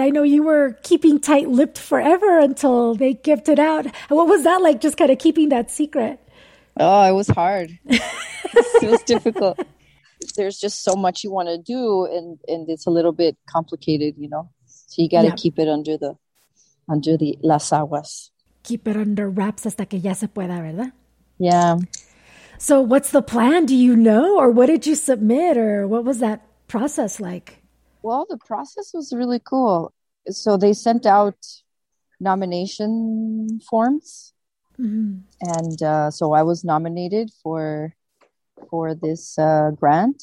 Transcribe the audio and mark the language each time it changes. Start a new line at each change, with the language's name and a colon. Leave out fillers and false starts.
English: I know you were keeping tight-lipped forever until they gifted it out. What was that like, just kind of keeping that secret? Oh, it was hard. It was difficult. There's just so much you want to do, and it's a little bit complicated, you know? So you got to keep it under the
Spanish: las aguas.
English: Keep it under wraps
Spanish: hasta que ya se pueda, ¿verdad?
English: Yeah. So what's the plan? Do you know? Or what did you submit? Or what was that process like? Well, the process was really cool. So they sent out nomination forms. Mm-hmm. And so I was nominated for this grant.